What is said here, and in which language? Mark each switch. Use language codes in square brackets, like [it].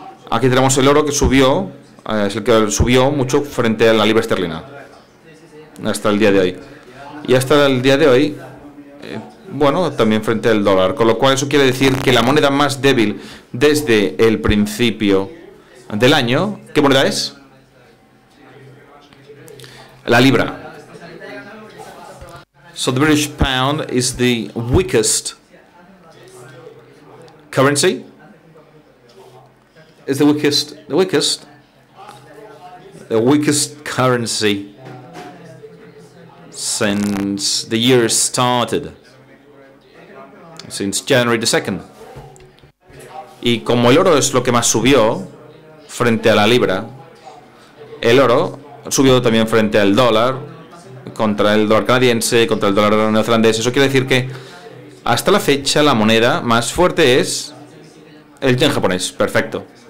[es] Aquí tenemos el oro que subió, es el que subió mucho frente a la libra esterlina hasta el día de hoy. Y hasta el día de hoy, bueno, también frente al dólar. Con lo cual eso quiere decir que la moneda más débil desde el principio del año, ¿qué moneda es? La libra. [en] So the British pound is the weakest currency. Is the weakest, the weakest, the weakest currency since the year started, since January the 2nd. [es] Y como el oro es lo que más subió frente a la libra, el oro subió también frente al dólar, contra el dólar canadiense, contra el dólar neozelandés. Eso quiere decir que hasta la fecha la moneda más fuerte es el yen japonés. Perfecto.